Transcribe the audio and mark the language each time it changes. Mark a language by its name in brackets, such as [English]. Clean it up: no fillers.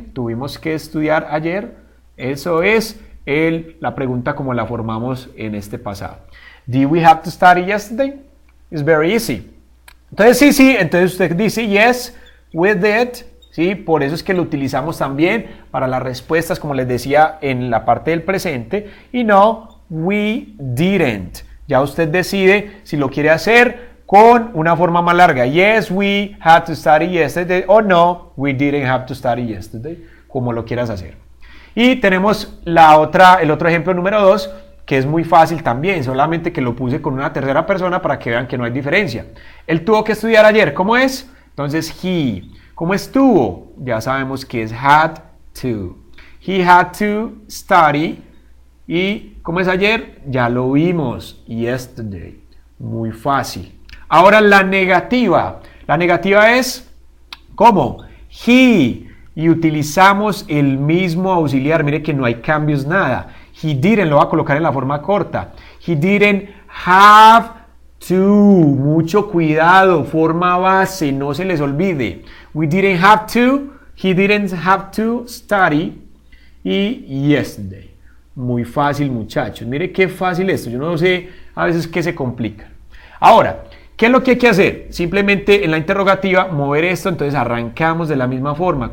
[Spanish] ¿Tuvimos que estudiar ayer? Eso es la pregunta como la formamos en este pasado. [English] Did we have to study yesterday? It's very easy. [Spanish] Entonces, sí. Entonces, usted dice, [English] yes, we did. [Spanish] ¿Sí? Por eso es que lo utilizamos también para las respuestas, como les decía, en la parte del presente. Y [English] no, we didn't. [Spanish] Ya usted decide si lo quiere hacer con una forma más larga. [English] Yes, we had to study yesterday. O no, we didn't have to study yesterday. [Spanish] Como lo quieras hacer. Y tenemos el otro ejemplo número dos, que es muy fácil también. Solamente que lo puse con una tercera persona para que vean que no hay diferencia. Él tuvo que estudiar ayer. ¿Cómo es? Entonces, he. ¿Cómo estuvo? Ya sabemos que es [English] had to. He had to study. [Spanish] ¿Y cómo es ayer? Ya lo vimos. Yesterday. Muy fácil. Ahora la negativa. La negativa es, ¿cómo? He. Y utilizamos el mismo auxiliar. Mire que no hay cambios, nada. [English] He didn't. [Spanish] Lo va a colocar en la forma corta. [English] He didn't have to. [Spanish] Mucho cuidado. Forma base. No se les olvide. [English] We didn't have to. He didn't have to study. [Spanish] Y yesterday. Muy fácil, muchachos. Mire qué fácil esto. Yo no sé a veces qué se complica. Ahora, ¿qué es lo que hay que hacer? Simplemente en la interrogativa mover esto. Entonces arrancamos de la misma forma.